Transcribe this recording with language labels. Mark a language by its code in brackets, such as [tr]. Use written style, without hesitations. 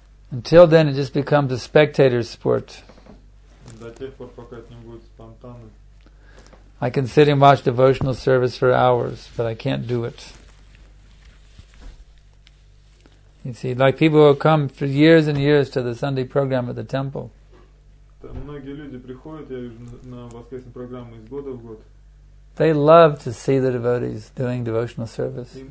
[en] Until then, it just becomes a spectator sport. [ru] До тех пор, пока это не будет спонтанно. [en] I can sit and watch devotional service for hours, but I can't do it. You see, like people who have come for years and years to the Sunday program at the temple. They love to see the devotees doing devotional service.